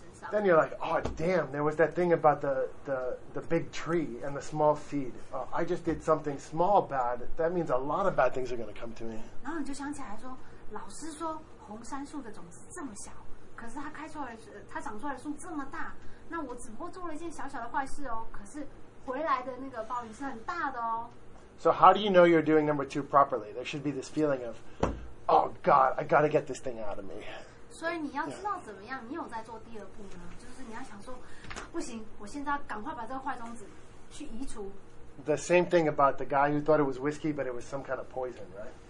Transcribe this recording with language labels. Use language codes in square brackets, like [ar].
[en] then you're like, oh damn, there was that thing about the big tree and the small seed. I just did something small bad. That means a lot of bad things are going to come to me. [zh] 然后你就想起来说，老师说红杉树的种子这么小，可是它开出来，它长出来的树这么大。那我只不过做了一件小小的坏事哦，可是回来的那个报应是很大的哦。 [en] So how do you know you're doing number two properly? There should be this feeling of oh, God, I got to get this thing out of me. So you know the same thing about the guy who thought it was whiskey, but it was some kind of poison, right?